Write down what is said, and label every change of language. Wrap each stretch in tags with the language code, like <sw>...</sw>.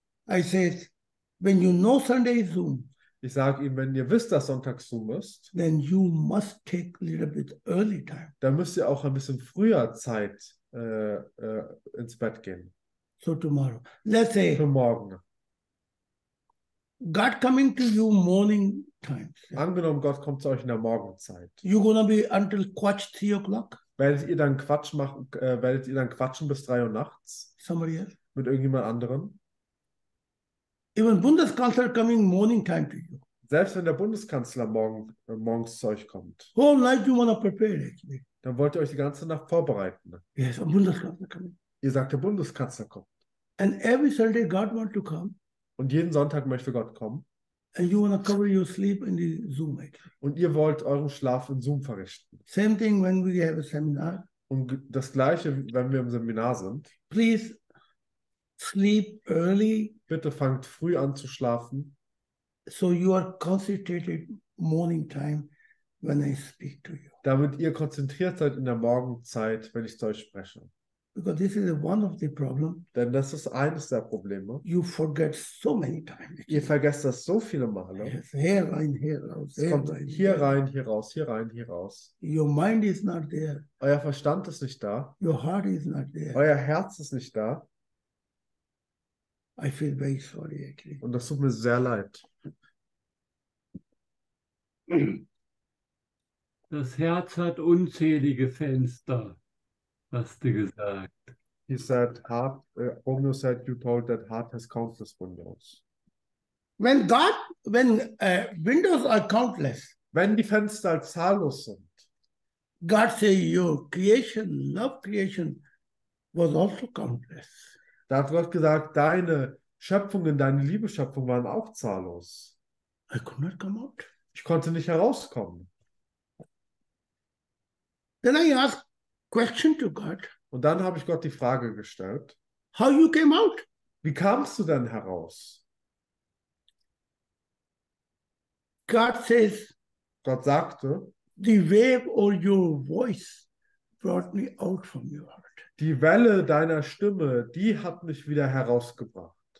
<en>I said, when you know Sunday is Zoom.</en> <de>Ich sage ihnen, wenn ihr wisst, dass Sonntag Zoom ist,</de> <en>then you must take a little bit early time.</en> <de>Dann müsst ihr auch ein bisschen früher Zeit ins Bett gehen.</de> <en>So tomorrow. Let's say.</en> <de>Für morgen.</de> <en>God coming to you morning times.</en> <de>Angenommen, Gott kommt zu euch in der Morgenzeit.</de> <en>You're gonna be until quatsch 3 o'clock.</en> <de>Werdet ihr dann Quatsch machen? Werdet ihr dann quatschen bis 3 Uhr nachts?</de> <en>Somebody else.</en> <de>Mit irgendjemand anderem?</de> <en>Even Bundeskanzler coming morning time to you.</en> <de>Selbst wenn der Bundeskanzler morgens zu euch kommt.</de> <en>Whole night you wanna prepare actually.</en> <de>Dann wollt ihr euch die ganze Nacht vorbereiten.</de> <en>Yes, a Bundeskanzler coming.</en> <de>Ihr sagt, der Bundeskanzler kommt.</de> <en>And every Sunday God wants to come.</en> <de>Und jeden Sonntag möchte Gott kommen.</de> <en>And you wanna cover your sleep in the Zoom.</en> <de>Und ihr wollt euren Schlaf in Zoom verrichten.</de> <en>Same thing when we have a seminar.</en> <de>Und das Gleiche, wenn wir im Seminar sind.</de> <en>Please sleep early.</en> <de>Bitte fangt früh an zu schlafen.</de> <en>So you are concentrated morning time when I speak to you.</en> <de>Damit ihr konzentriert seid in der Morgenzeit, wenn ich zu euch spreche.</de> <en>Because this is one of the problem.</en> <de>Denn das ist eines der Probleme.</de> <en>You forget so many times.</en> <de>Ihr vergesst das so viele Male. Yes, hier rein, hier raus. Hier, kommt rein, hier rein, hier raus, hier rein, hier raus.</de> <en>Your mind is not there.</en> <de>Euer Verstand ist nicht da.</de> <en>Your heart is not there.</en> <de>Euer Herz ist nicht da.</de> <en>I feel very sorry, actually.</en> <de>Und das tut mir sehr leid. Das Herz hat unzählige Fenster. Hast du gesagt?</de> <en>He said, "Heart." Romeo said, "You told that heart has countless windows." When windows are countless.</en> <de>Wenn die Fenster zahllos sind.</de> <en>God say, "Your creation, love creation, was also countless."</en> <de>Da hat Gott gesagt, deine Schöpfungen, deine Liebeschöpfungen waren auch zahllos.</de> <en>I could not come out.</en> <de>Ich konnte nicht herauskommen.</de> <en>Then I asked. Question to God.</en> <de>Und dann habe ich Gott die Frage gestellt.</de> <en>How you came out?</en> <de>Wie kamst du denn heraus?</de> <en>God says.</en> <de>Gott sagte.</de> <en>The wave of your voice brought me out from your heart.</en> <de>Die Welle deiner Stimme, die hat mich wieder herausgebracht.</de>